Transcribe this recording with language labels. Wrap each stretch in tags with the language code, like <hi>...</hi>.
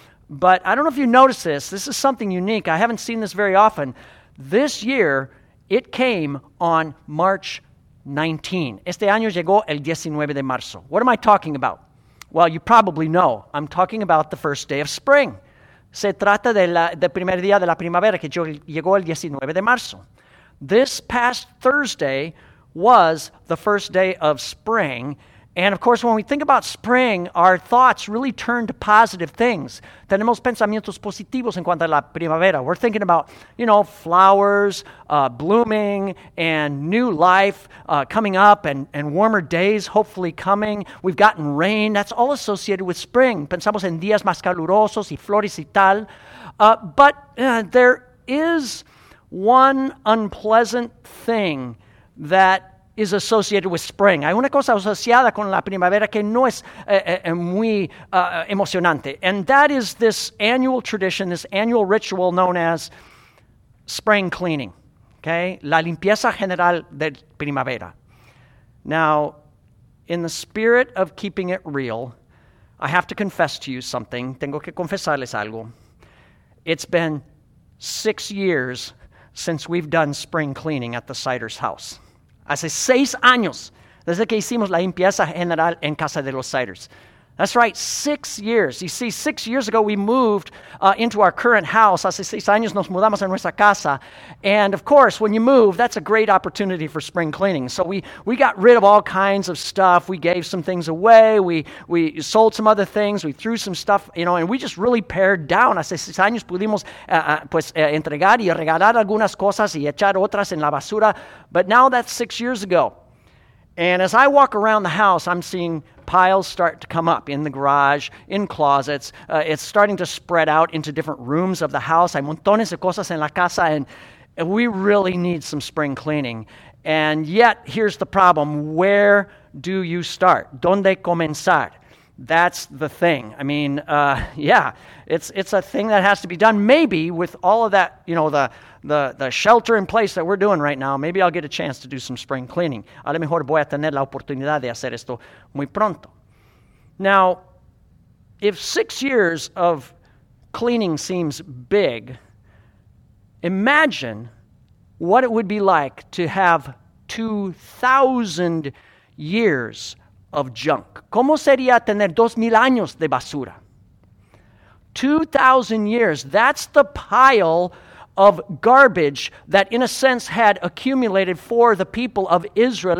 <en>But I don't know if you noticed this. This is something unique. I haven't seen this very often. This year, it came on March 19.</en> <es>Este año llegó el 19 de marzo.</es> <en>What am I talking about? Well, you probably know. I'm talking about the first day of spring.</en> <es>Se trata del primer día de la primavera, que llegó el 19 de marzo.</es> <en>This past Thursday was the first day of spring. And of course, when we think about spring, our thoughts really turn to positive things.</en> <es>Tenemos pensamientos positivos en cuanto a la primavera.</es> <en>We're thinking about, you know, flowers blooming and new life coming up and warmer days hopefully coming. We've gotten rain. That's all associated with spring.</en> <es>Pensamos en días más calurosos y flores y tal.</es> <en>But there is one unpleasant thing that is associated with spring.</en> <es>Hay una cosa asociada con la primavera que no es muy emocionante.</es> <en>And that is this annual tradition, this annual ritual known as spring cleaning. Okay?</en> <es>La limpieza general de primavera.</es> <en>Now, in the spirit of keeping it real, I have to confess to you something.</en> <es>Tengo que confesarles algo.</es> <en>It's been 6 years since we've done spring cleaning at the Siders house.</en> <es>Hace 6 años desde que hicimos la limpieza general en casa de los Siders.</es> <en>That's right, 6 years. You see, 6 years ago we moved into our current house.</en> <es>Hace 6 años nos mudamos a nuestra casa.</es> <en>And of course, when you move, that's a great opportunity for spring cleaning. So we got rid of all kinds of stuff. We gave some things away. We sold some other things. We threw some stuff, you know, and we just really pared down.</en> <es>Hace 6 años pudimos entregar y regalar algunas cosas y echar otras en la basura.</es> <en>But now that's 6 years ago. And as I walk around the house, I'm seeing piles start to come up in the garage, in closets. It's starting to spread out into different rooms of the house.</en> <es>Hay montones de cosas en la casa,</es> <en>and we really need some spring cleaning. And yet, here's the problem. Where do you start?</en> <es>¿Dónde comenzar?</es> <en>That's the thing. I mean, it's a thing that has to be done. Maybe with all of that, you know, the shelter in place that we're doing right now, maybe I'll get a chance to do some spring cleaning.</en> <es>A lo mejor voy a tener la oportunidad de hacer esto muy pronto.</es> <en>Now, if 6 years of cleaning seems big, imagine what it would be like to have 2,000 years of junk.</en> <es>¿Cómo sería tener 2,000 años de basura?</es> <en>2,000 years, that's the pile of garbage that in a sense had accumulated for the people of Israel.</en>